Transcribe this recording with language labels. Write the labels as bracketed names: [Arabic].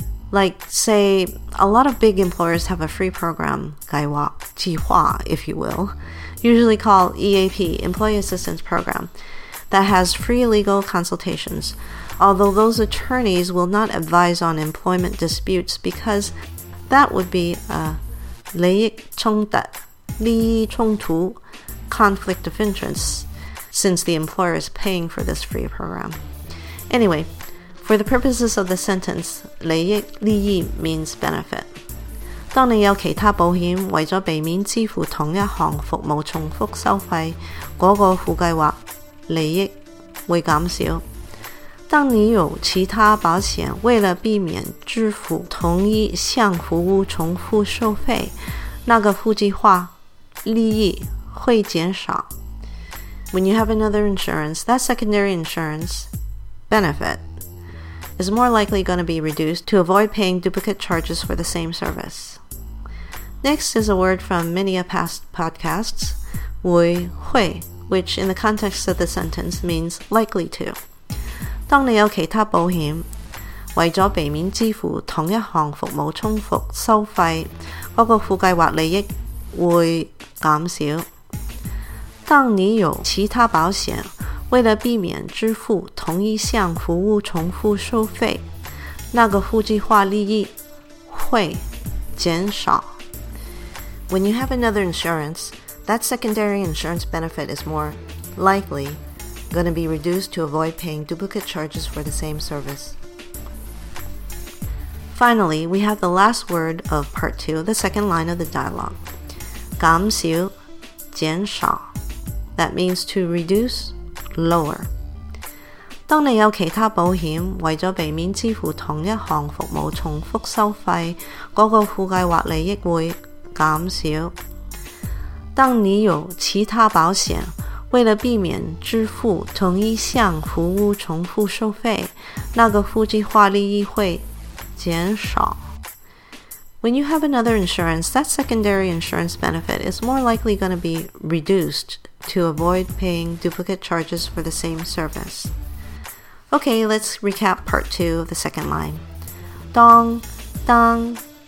[English] Like, say, a lot of big employers have a free program, 计划, if you will, usually called EAP, Employee Assistance Program, that has free legal consultations, although those attorneys will not advise on employment disputes because that would be a [Chinese] 利益冲突, [English] conflict of interest, since the employer is paying for this free program. Anyway, for the purposes of the sentence, 利益 means benefit. [Chinese] 当你有其他保险，为了避免支付同一项服务重复收费，那个附计划利益会减少。当你有其他保险，为了避免支付同一项服务重复收费，那个附计划利益会减少。 [English] When you have another insurance, that secondary insurance benefit is more likely going to be reduced to avoid paying duplicate charges for the same service. Next is a word from many a past podcasts, [Chinese] 会, 会, [English] which in the context of the sentence means likely to. [Chinese] 当你有其他保险，为了避免支付同一项服务重复收费，那个附计划利益会减少。当你有其他保险，为了避免支付同一项服务重复收费，那个附计划利益会减少。 [English] When you have another insurance, that secondary insurance benefit is more likely going to be reduced to avoid paying duplicate charges for the same service. Finally, we have the last word of part 2, the second line of the dialogue. [Chinese] 减少减少 [English] That means to reduce lower. [Chinese] 当你有其他保险，为了避免支付同一项服务重复收费，那个附计划利益会减少。当你有其他保险，为了避免支付同一项服务重复收费，那个附计划利益会减少。 [English] When you have another insurance, that secondary insurance benefit is more likely going to be reduced to avoid paying duplicate charges for the same service. Okay, let's recap part 2 of the second line. [Chinese] 当